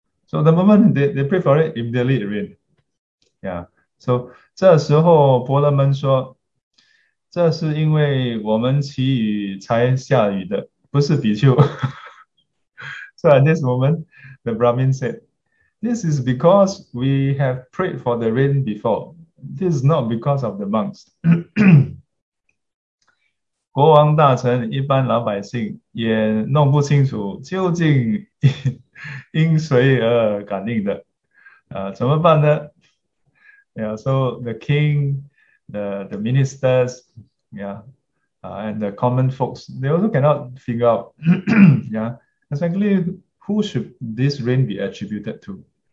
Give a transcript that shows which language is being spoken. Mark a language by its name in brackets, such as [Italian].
[English] So, the moment they pray for it, immediately it rained. Yeah. [Chinese] So, 这时候伯乐们说, 这是因为我们祈雨才下雨的, 不是比丘. [English] So at this moment, the Brahmin said, this is because we have prayed for the rain before. This is not because of the monks. [Chinese] 国王大臣一般老百姓也弄不清楚究竟因谁而感应的。怎么办呢? [English] Yeah, so the king, the ministers, yeah, and the common folks, they also cannot figure out. Yeah. Exactly, who should this rain be attributed to?